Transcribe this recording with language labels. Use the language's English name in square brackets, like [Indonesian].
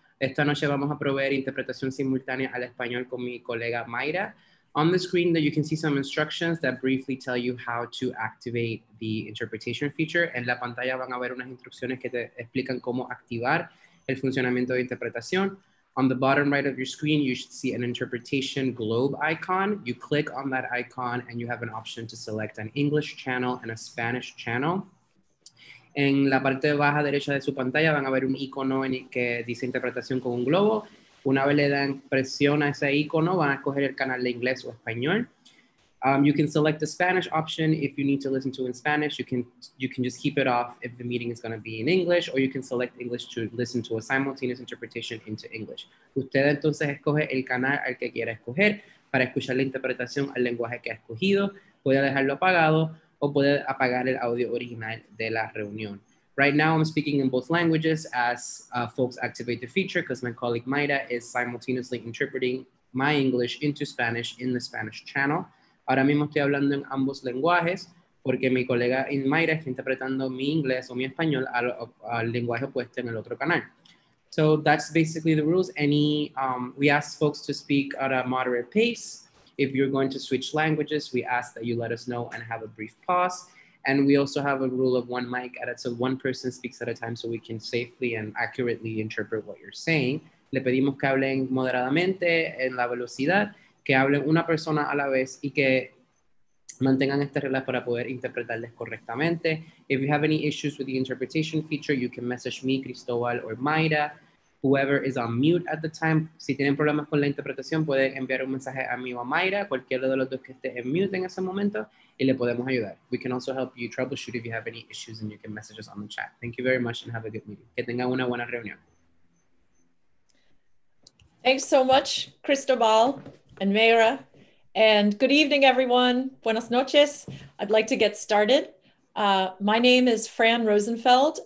[Spanish] Esta noche vamos a proveer interpretación simultánea al español con mi colega, Mayra. [English] On the screen that you can see some instructions that briefly tell you how to activate the interpretation feature. [Spanish] En la pantalla van a ver unas instrucciones que te explican cómo activar el funcionamiento de interpretación. [English] On the bottom right of your screen, you should see an interpretation globe icon. You click on that icon and you have an option to select an English channel and a Spanish channel. [Spanish] En la parte baja derecha de su pantalla van a ver un icono que dice interpretación con un globo. Una vez le dan presión a ese icono, van a escoger el canal de inglés o español. [English] You can select the Spanish option if you need to listen to in Spanish. You can just keep it off if the meeting is going to be in English, or you can select English to listen to a simultaneous interpretation into English. [Spanish] Usted entonces escoge el canal al que quiera escoger para escuchar la interpretación al lenguaje que ha escogido. Puede dejarlo apagado o puede apagar el audio original de la reunión. [English] Right now I'm speaking in both languages as folks activate the feature because my colleague Mayra is simultaneously interpreting my English into Spanish in the Spanish channel. [Spanish] Ahora mismo estoy hablando en ambos lenguajes porque mi colega Mayra está interpretando mi inglés o mi español al lenguaje opuesto en el otro canal. [English] So that's basically the rules. We ask folks to speak at a moderate pace. If you're going to switch languages, we ask that you let us know and have a brief pause. And we also have a rule of one mic, so one person speaks at a time so we can safely and accurately interpret what you're saying. [Spanish] Le pedimos que hablen moderadamente en la velocidad, que hablen una persona a la vez y que mantengan estas reglas para poder interpretarles correctamente. [English] If you have any issues with the interpretation feature, you can message me, Cristobal, or Mayra, whoever is on mute at the time. [Spanish] Si tienen problemas con la interpretación, pueden enviar un mensaje a mí o a Mayra, cualquiera de los dos que esté en mute en ese momento, y le podemos ayudar. [English] We can also help you troubleshoot if you have any issues and you can message us on the chat. Thank you very much and have a good meeting. [Spanish] Que tengan una buena reunión. [English] Thanks so much, Cristobal and Mayra. And good evening, everyone. [Spanish] Buenas noches. [English] I'd like to get started. My name is Fran Rosenfeld.